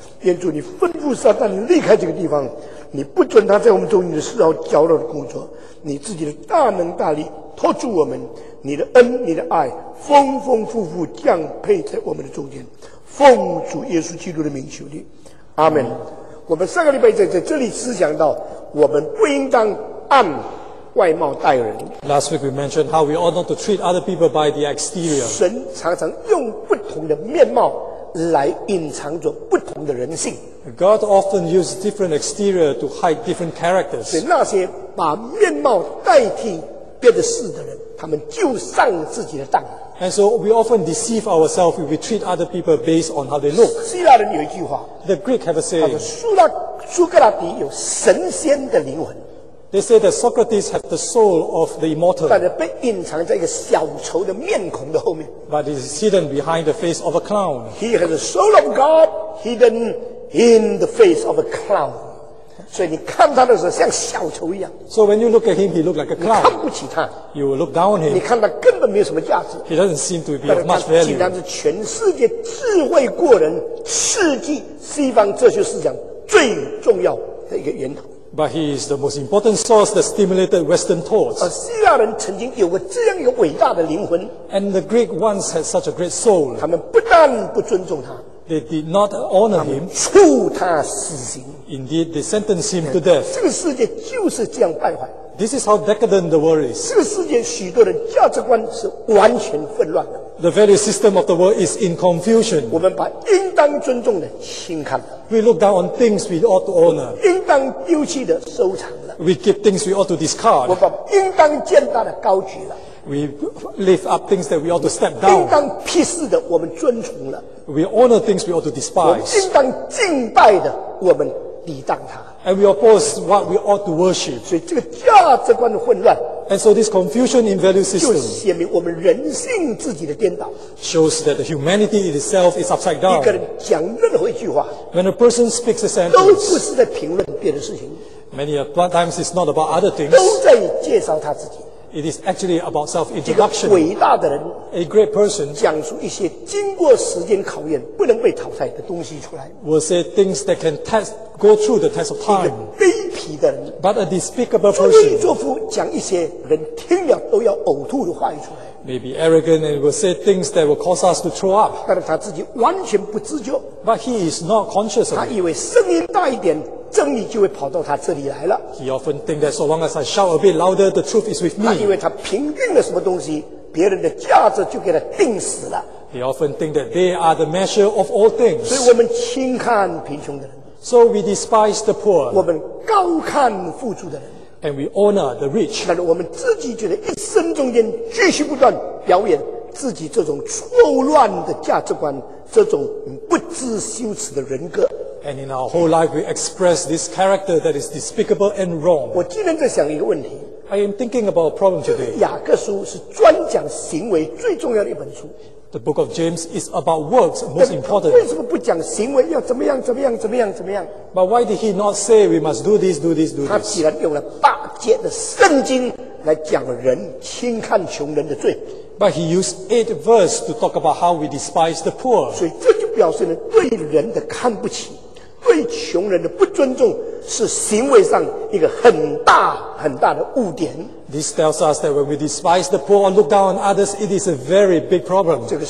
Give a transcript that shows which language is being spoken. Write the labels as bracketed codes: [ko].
[zh] 愿主你吩咐撒旦离开这个地方，你不准他在我们中间的丝毫搅扰的工作，你自己的大能大力托住我们，你的恩你的爱丰丰富富降配在我们的中间。奉主耶稣基督的名求你，阿们。我们上个礼拜 在这里思想到，我们不应当按外貌待人。 [en] Last week we mentioned how we ought not to treat other people by the exterior. [zh] 神常常用不同的面貌来隐藏着不同的人性。 [en] God often uses different exterior to hide different characters. [zh] 所以那些把面貌代替别的事的人，他们就上自己的当。 [en] And so we often deceive ourselves if we treat other people based on how they look. [zh] 希腊人有一句话。 [en] The Greek have a saying. [zh] 他说苏格拉底有神仙的灵魂。 [en] They say that Socrates have the soul of the immortal. [zh] 但是被隐藏在一个小丑的面孔的后面。 [en] But it is hidden behind the face of a clown. He has the soul of God hidden in the face of a clown. [zh] 所以你看他的时候像小丑一样。 [en] So when you look at him, he looks like a clown. [zh] 你看不起他。 [en] You will look down on him. [zh] 你看他根本没有什么价值。 [en] He doesn't seem to be of much value. [zh] 但是他竟然是全世界智慧过人、刺激西方哲学思想最重要的一个源头。 [en] But he is the most important source that stimulated Western thoughts. [zh] 而希腊人曾经有过这样一个伟大的灵魂。 [en] And the Greek once had such a great soul. [zh] 他们不但不尊重他。 [en] They did not honor him. [zh] 处他死刑。 [en] Indeed, they sentenced him to death. [zh] 这个世界就是这样败坏。 [en] This is how decadent the world is. [zh] 这个世界许多人价值观是完全混乱的。 [en] The value system of the world is in confusion. [zh] 我们把应当尊重的轻看了。 [en] We look down on things we ought to honor. [zh] 应当丢弃的收藏了。 [en] We keep things we ought to discard. [zh] 我把应当践踏的高举了。 [en] We lift up things that we ought to step down. [zh] 应当鄙视的我们遵从了。 [en] We honor things we ought to despise. [zh] 我们应当敬拜的我们抵挡它。 [en] And we oppose what we ought to worship. [zh] 所以这个价值观的混乱。 [en] And so this confusion in value system. [zh] 就显明我们人性自己的颠倒。 [en] Shows that the humanity itself is upside down. [zh] 一个人讲任何一句话。 [en] When a person speaks a sentence. [zh] 都不是在评论别的事情。 [en] Many times it's not about other things. [zh] 都在介绍他自己。 [en] It is actually about self-introduction. [zh] 一个伟大的人 [en] a great person, [zh] 讲述一些经过时间考验不能被淘汰的东西出来 [en] will say things that can test, go through the test of time. [zh] 一个卑鄙的人 [en] but a despicable person, [zh] 作威作福讲一些人听了都要呕吐的话语出来 [en] may be arrogant and will say things that will cause us to throw up. [zh] 但是他自己完全不自觉 [en] but he is not conscious of it. [zh] 他以为声音大一点真理就会跑到他这里来了。 [en] He often thinks that so long as I shout a bit louder, the truth is with me. [zh] 他以为他评定了什么东西，别人的价值就给他定死了。 [en] He often thinks that they are the measure of all things. [zh] 所以我们轻看贫穷的人。 [en] So we despise the poor. [zh] 我们高看富足的人。 [en] And we honor the rich. [zh] 但是我们自己觉得一生中间继续不断表演自己这种错乱的价值观，这种不知羞耻的人格。 [en] And in our whole life, we express this character that is despicable and wrong. [zh] 我今天在想一个问题。 [en] I am thinking about a problem today. [zh] 雅各书是专讲行为最重要的一本书。 [en] The book of James is about works, most important. [zh] 为什么不讲行为要怎么样？ [en] But why did he not say we must do this, do this, do this? [zh] 他既然用了八节的圣经来讲人轻看穷人的罪。 [en] But he used 8 verses to talk about how we despise the poor. [zh] 所以这就表示了对人的看不起。对穷人的不尊重是行为上一个很大很大的污点。 [en] This tells us that when we despise the poor or look down on others, it is a very big problem.